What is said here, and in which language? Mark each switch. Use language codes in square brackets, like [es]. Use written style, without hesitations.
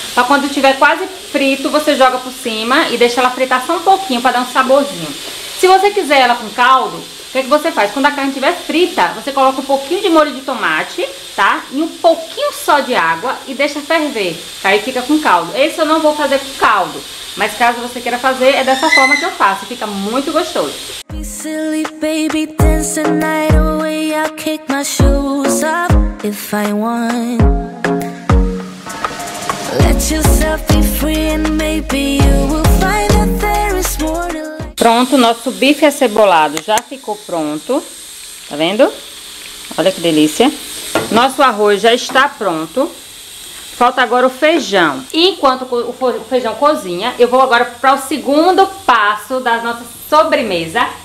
[pt] Pra quando tiver quase frito, você joga por cima e deixa ela fritar só um pouquinho pra dar um saborzinho. Se você quiser ela com caldo, o que, que você faz? Quando a carne estiver frita, você coloca um pouquinho de molho de tomate, tá? E um pouquinho só de água e deixa ferver. Tá? Aí fica com caldo. Esse eu não vou fazer com caldo. Mas caso você queira fazer, é dessa forma que eu faço. Fica muito gostoso. [en] Silly baby, dance the night away. I'll kick my shoes up if I want. Let yourself be free and maybe you will find that there is more to life. [pt] Pronto, nosso bife acebolado já ficou pronto. Tá vendo? Olha que delícia. Nosso arroz já está pronto. Falta agora o feijão. E enquanto o feijão cozinha, eu vou agora para o segundo passo da nossa sobremesa.